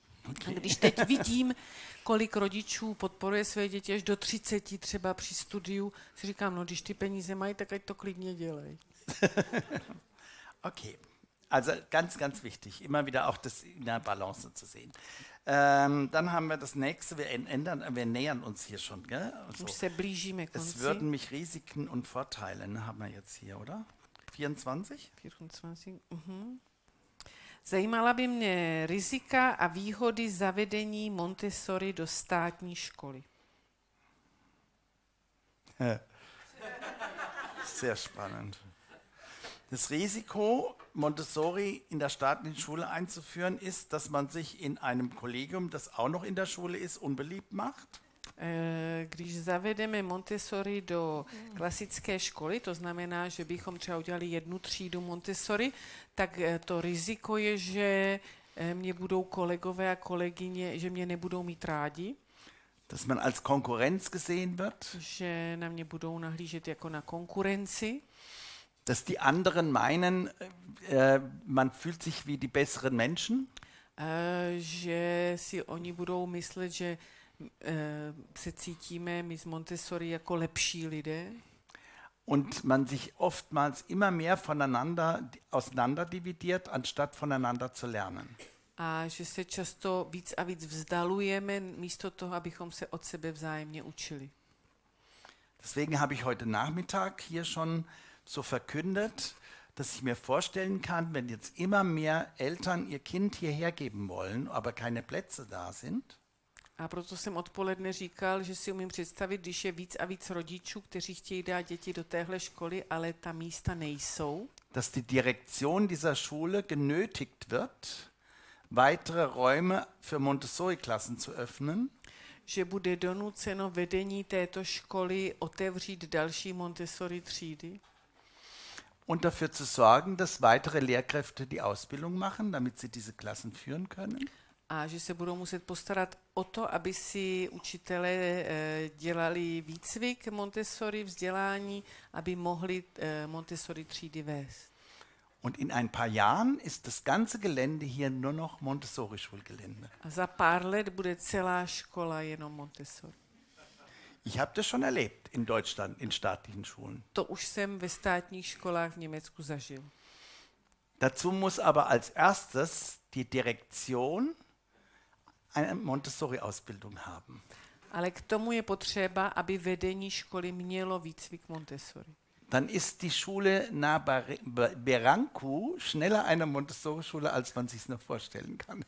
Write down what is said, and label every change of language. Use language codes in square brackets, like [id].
[cs] Okay. A když teď vidím, kolik rodičů podporuje své děti až do 30 třeba při studiu, si říkám, no když ty peníze mají, tak ať to klidně dělej. [de] Ok, also ganz, ganz wichtig, immer wieder auch das in der Balance zu sehen. Dann haben wir das Nächste, wir nähern uns hier schon, gell? [cs] Also, se blížíme, [de] es würden mich Risiken und Vorteile, ne, haben wir jetzt hier, oder? 24? [cs] 24, Zajímala by mě rizika a výhody zavedení Montessori do státní školy. [de] Sehr spannend. Das Risiko, Montessori in der staatlichen Schule einzuführen, ist, dass man sich in einem Kollegium, das auch noch in der Schule ist, unbeliebt macht. [cs] Když zavedeme Montessori do klasické školy, to znamená, že bychom třeba udělali jednu třídu Montessori, tak to riziko je, že mě budou kolegové a kolegyně, že mě nebudou mít rádi. [de] Dass man als Konkurrenz gesehen wird. [cs] Že na mě budou nahlížet jako na konkurenci. [de] Dass die anderen meinen, man fühlt sich wie die besseren Menschen. [cs] Že si oni budou myslet, že se cítíme my z Montessori jako lepší lidé. [de] Und man sich oftmals immer mehr voneinander auseinanderdividiert, anstatt voneinander zu lernen. [cs] A že se často víc a víc vzdalujeme, místo toho, abychom se od sebe vzájemně učili. [de] Deswegen habe ich heute Nachmittag hier schon so verkündet, dass ich mir vorstellen kann, wenn jetzt immer mehr Eltern ihr Kind hierher geben wollen, aber keine Plätze da sind. [cs] A proto jsem odpoledne říkal, že si umím představit, když je víc a víc rodičů, kteří chtějí dát děti do téhle školy, ale ta místa nejsou. [de] Dass die Direktion dieser Schule genötigt wird, weitere Räume für Montessori-Klassen zu öffnen. [cs] Že bude donuceno vedení této školy otevřít další Montessori třídy. [de] Und dafür zu sorgen, dass weitere Lehrkräfte die Ausbildung machen, damit sie diese Klassen führen können. [cs] A že se budou muset postarat o to, aby si učitelé dělali výcvik Montessori, vzdělání, aby mohli Montessori třídy vést. [de] Und in ein paar Jahren ist das ganze Gelände hier nur noch Montessori-Schulgelände. [cs] A za pár let bude celá škola jenom Montessori. [de] Ich habe das schon erlebt in Deutschland, in staatlichen Schulen. [cs] To už jsem ve státních školách v Německu zažil. [de] Dazu muss aber als erstes die Direktion eine Montessori-Ausbildung haben. [cs] Ale k tomu je potřeba, aby vedení školy mělo výcvik Montessori. [de] Dann ist die Schule nahe Berankou schneller eine Montessori-Schule, als man sich es noch vorstellen kann.